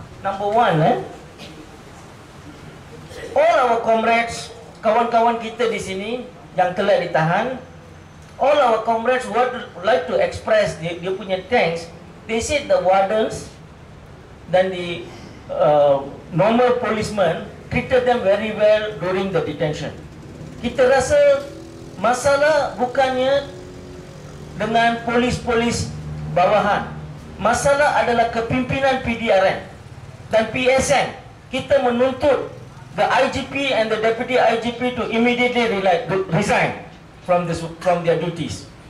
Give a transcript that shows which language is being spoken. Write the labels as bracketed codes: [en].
[en] Number one, all our comrades, [ms] kawan-kawan kita di sini yang telah ditahan, [en] all our comrades would like to express [ms] dia punya [en] thanks. They said the wardens dan the normal policemen treated them very well during the detention. [ms] Kita rasa masalah bukannya dengan polis-polis bawahan, Masalah adalah kepimpinan PDRM dan PSN. Kita menuntut [en] the IGP and the Deputy IGP to immediately resign from their duties.